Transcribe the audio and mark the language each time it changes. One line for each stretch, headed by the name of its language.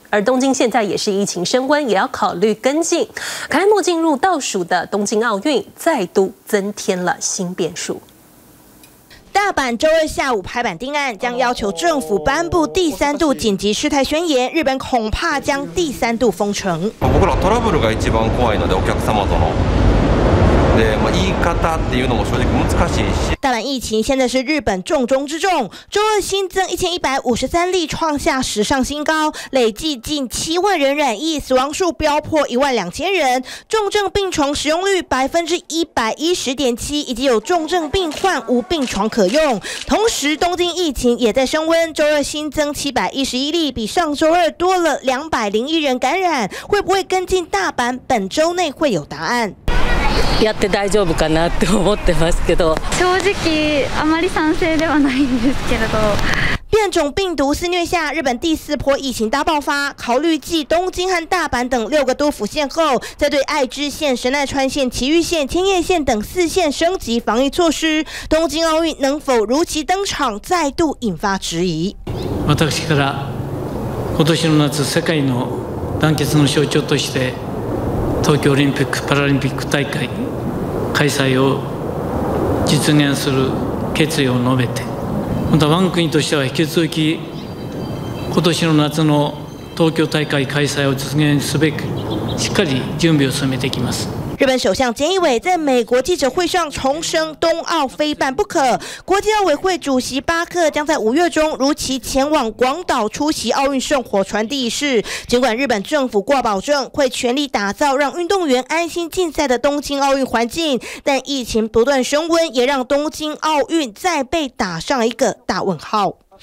Chinese: 而东京现在也是疫情升温，也要考虑跟进。开幕进入倒数的东京奥运再度增添了新变数。大阪周二下午拍板定案，将要求政府颁布第三度紧急事态宣言，日本恐怕将第三度封城。
Japanese: 僕らトラブルが一番怖いので、お客様との。
Chinese: 大阪疫情现在是日本重中之重，周二新增1153例，创下史上新高，累计近70000人染疫，死亡数飙破12000人，重症病床使用率110.7%，已经有重症病患无病床可用。同时，东京疫情也在升温，周二新增711例，比上周二多了201人感染。会不会跟进大阪？本周内会有答案。
Japanese: やって大丈夫かなって思ってますけど、正直あまり賛成ではないんですけれど。
Chinese: 变种病毒肆虐下，日本第四波疫情大爆发。考虑继东京和大阪等六个都府县后，再对爱知县、神奈川县、埼玉县、千叶县等四县升级防疫措施，东京奥运能否如期登场，再度引发质疑。
Japanese: 私から今年の夏、世界の団結の象徴として。東京オリンピック・パラリンピック大会開催を実現する決意を述べて、また我が国としては引き続き今年の夏の東京大会開催を実現すべくしっかり準備を進めていきます。
Chinese: 日本首相菅义伟在美国记者会上重申冬奥非办不可。国际奥委会主席巴克将在五月中如期前往广岛出席奥运圣火传递仪式。尽管日本政府挂保证会全力打造让运动员安心竞赛的东京奥运环境，但疫情不断升温也让东京奥运再被打上一个大问号。